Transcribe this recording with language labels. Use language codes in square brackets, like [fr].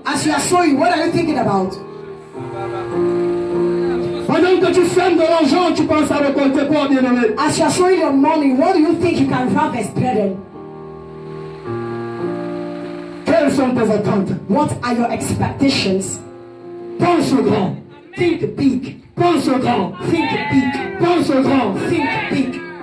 [en] As you are sowing, what are you thinking about? [fr] Pendant que tu sèmes de l'argent, tu penses à récolter quoi, bien-aimé? [en] As you are sowing your money, what do you think you can harvest, brethren? [fr] Quelles sont tes attentes? [en] What are your expectations? [fr] Pense au grand. [en] Think big. [fr] Pense au grand. [en] Think big. [fr] Pense au grand. [en] Think big.